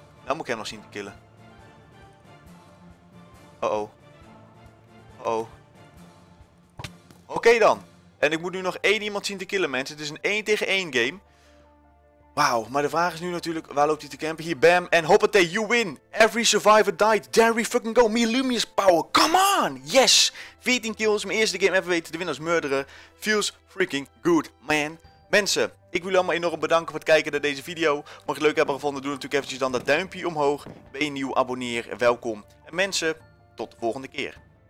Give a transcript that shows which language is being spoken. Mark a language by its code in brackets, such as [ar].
[nl] Dan moet ik hem nog zien te killen. Oh. Oké dan. En ik moet nu nog 1 iemand zien te killen, mensen. Het is een 1 tegen 1 game. Wauw, maar de vraag is nu natuurlijk, waar loopt hij te campen? Hier, bam, en hoppatee, [en] you win. Every survivor died. There we fucking go. Me Lumius power, come on. Yes. [nl] 14 kills, mijn eerste game ever weten te winnen als murderer. [en] Feels freaking good, man. [nl] Mensen, ik wil jullie allemaal enorm bedanken voor het kijken naar deze video. Mocht je het leuk hebben gevonden, doe natuurlijk eventjes dan dat duimpje omhoog. Ben je nieuw, abonneer, welkom. En mensen, tot de volgende keer.